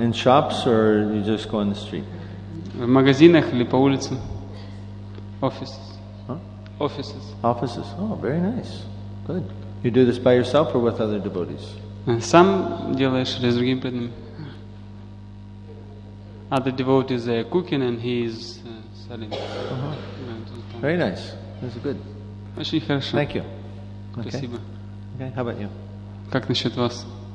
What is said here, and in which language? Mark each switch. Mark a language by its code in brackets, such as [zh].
[en] In shops or you just go on the street? [ru] В магазинах или по улице? [en] Offices. Huh? Offices. Offices. Oh, very nice. Good. You do this by yourself or with other devotees? [ru] Сам делаешь или с другими преданными? [en] Other devotees are cooking and he's Uh-huh. Very nice. That's good. [ru] Очень хорошо. [en] Thank you. [ru] Спасибо. [en] Okay. How about you? [ru] Как насчет вас?